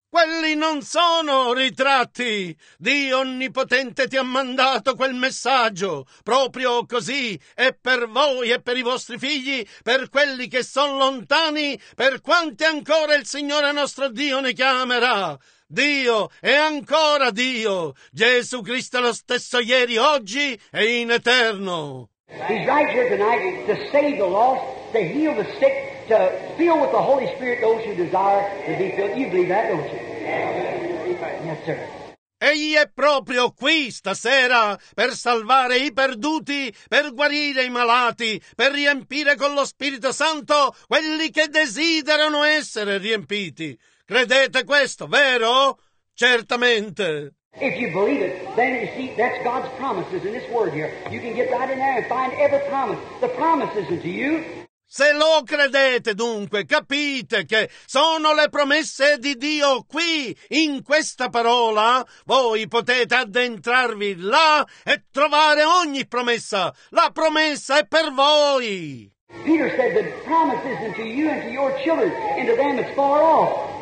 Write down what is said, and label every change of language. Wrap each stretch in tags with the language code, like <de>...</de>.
<it>Quelli non sono ritratti. Dio Onnipotente ti ha mandato quel messaggio. Proprio così è per voi e per i vostri figli, per quelli che sono lontani, per quanti ancora il Signore nostro Dio ne chiamerà. Dio è ancora Dio. Gesù Cristo è lo stesso ieri, oggi e in eterno.</it> <en>He's right here tonight to save the lost, to heal the sick, to fill with the Holy Spirit those who desire to be filled. You believe that, don't you? Yes, sir.</en> <it>Egli è proprio qui stasera per salvare i perduti, per guarire i malati, per riempire con lo Spirito Santo quelli che desiderano essere riempiti. Credete questo, vero? Certamente.</it> <en>If you believe it, then you see, that's God's promises in this word here. You can get right in there and find every promise. The promise isn't to you.</en> <it>Se lo credete dunque, capite che sono le promesse di Dio qui, in questa parola, voi potete addentrarvi là e trovare ogni promessa. La promessa è per voi.</it> <en>Peter said the promise isn't to you and to your children, and to them it's far off.</en>